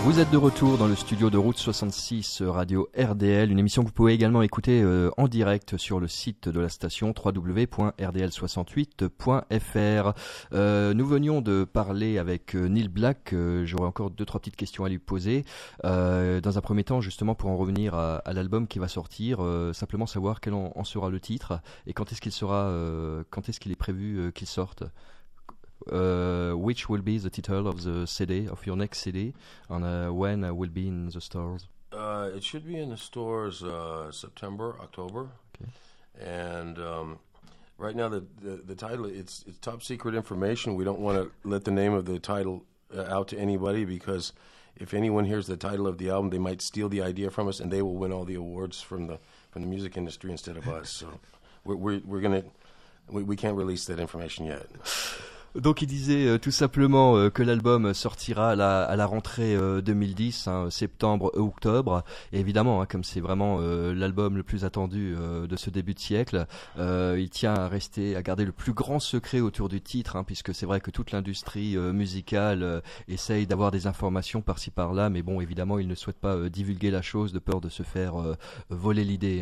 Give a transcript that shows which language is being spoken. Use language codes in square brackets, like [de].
[fr] De retour dans le studio de Route 66 Radio RDL, une émission que vous pouvez également écouter en direct sur le site de la station www.rdl68.fr. Nous venions de parler avec Neil Black, j'aurais encore deux trois petites questions à lui poser. Dans un premier temps, justement pour en revenir à l'album qui va sortir, simplement savoir quel en sera le titre et quand est-ce qu'il sera, quand est-ce qu'il est prévu qu'il sorte. [en] Which will be the title of the CD, of your next CD, and when will be in the stores? It should be in the stores September, October. Okay. And right now the title, it's top secret information. We don't want to let the name of the title out to anybody, because if anyone hears the title of the album, they might steal the idea from us, and they will win all the awards from the music industry instead of us. So we're going to, we can't release that information yet. [fr] Donc il disait tout simplement que l'album sortira à la rentrée 2010, hein, septembre ou octobre. Et évidemment, hein, comme c'est vraiment l'album le plus attendu de ce début de siècle, il tient à rester, à garder le plus grand secret autour du titre, hein, puisque c'est vrai que toute l'industrie musicale essaye d'avoir des informations par-ci par-là, mais bon, évidemment, il ne souhaite pas divulguer la chose de peur de se faire voler l'idée.